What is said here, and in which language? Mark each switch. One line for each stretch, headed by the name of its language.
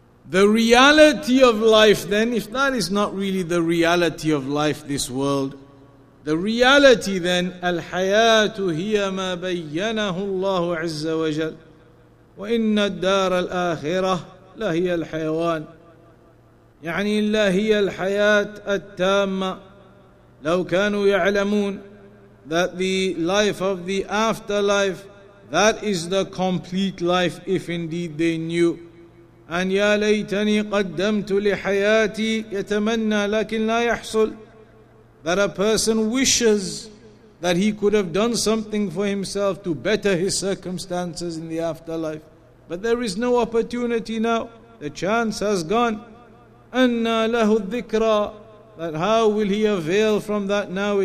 English: The reality of life then, if that is not really the reality of life, this world, the reality then,
Arabic: الْحَيَاةُ هِيَ مَا بَيَّنَهُ اللَّهُ عَزَّ وَجَلْ وَإِنَّ الدَّارَ الْآخِرَةُ لهي الحيوان يعني لهي الحياة التامة لو كانوا يعلمون.
English: That the life of the afterlife, that is the complete life if indeed they knew.
Arabic: أن يا ليتني قدمت لحياتي يتمنى لكن لا يحصل.
English: That a person wishes that he could have done something for himself to better his circumstances in the afterlife, but there is no opportunity now. The chance has gone.
Arabic: Anna lahu dhikra.
English: That how will he avail from that now?